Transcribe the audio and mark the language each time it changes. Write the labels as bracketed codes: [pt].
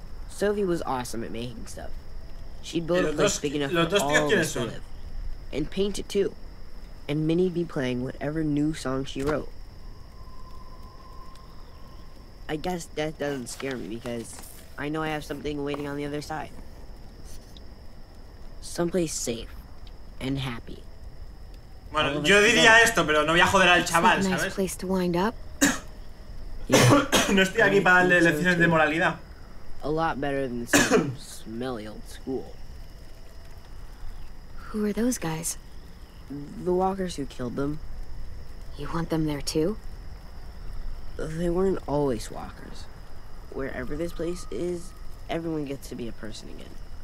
[en] Sophie was awesome at making stuff. She'd build a place big enough for all of us to live. And paint it too. And Minnie'd be playing whatever new song she wrote. I guess death doesn't scare me because I know I have something waiting on the other side. Someplace safe and happy. [es] Bueno, yo diría esto, pero no voy a joder al chaval, ¿sabes? [en] Nice place to wind up. [es] No estoy aquí para darle lecciones de moralidad. [en] A lot better than some smelly old school. Who are those guys? The walkers who killed them. You want them there too? They weren't always walkers. Wherever this place is, everyone gets to be a person again.